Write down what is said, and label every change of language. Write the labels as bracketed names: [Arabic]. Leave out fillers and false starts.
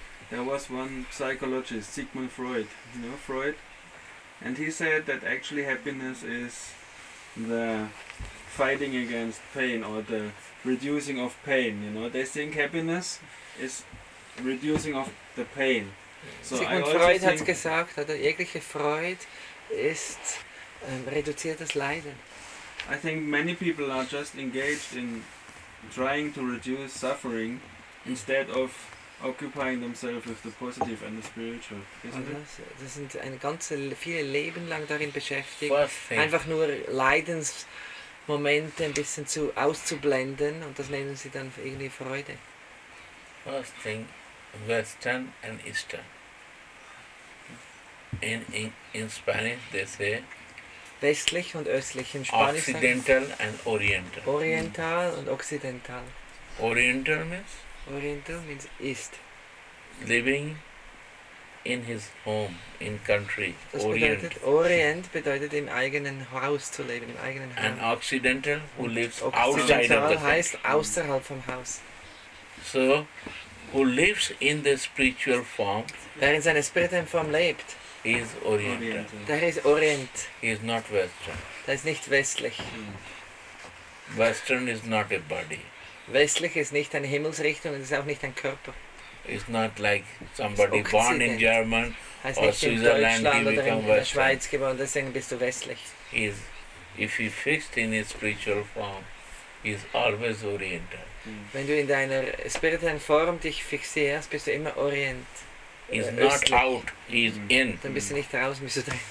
[English] There was one psychologist, Sigmund Freud, you know Freud? And he said that actually happiness is the fighting against pain or the reducing of pain, you know? They think happiness is reducing of the pain. [German] So Sigmund Freud hat gesagt, oder jegliche Freude ist reduziertes Leiden. [English] I think many people are just engaged in trying to reduce suffering instead of occupying themselves with the positive and the spiritual, isn't it? [German] Das sind ein ganze viele Leben lang darin beschäftigt, einfach nur Leidensmomente ein bisschen zu auszublenden und das nennen sie dann irgendwie Freude. [English] First thing, Western and Eastern. In Spanish they say [German] westlich und östlich, in Spanisch Occidental sagen, and Oriental. Oriental und Occidental. [English] Oriental means? Oriental means East. Living in his home, in country, [German] das Orient. Bedeutet, Orient bedeutet im eigenen Haus zu leben, im eigenen Haus. [English] And Occidental, who lives Occidental outside of the [German] heißt country. Heißt außerhalb vom Haus. [English] So, who lives in the spiritual form. [German] Der in seiner spirituellen Form lebt. [English] He is Oriental. [German] Der ist Orient. [English] He is not Western. [German] Der ist nicht westlich. [English] Western is not a body. [German] Westlich ist nicht eine Himmelsrichtung und ist auch nicht ein Körper. [English] It's not like somebody born in German or Switzerland, he become Western. [German] In der Schweiz geboren, deswegen bist du westlich. [English] He's, if he fixed in his spiritual form, he's always Oriental. [German] Wenn du in deiner spirituellen Form dich fixierst, bist du immer Orient. [English] He's not out, he's in. [German] Dann bist du nicht draußen, bist du drin.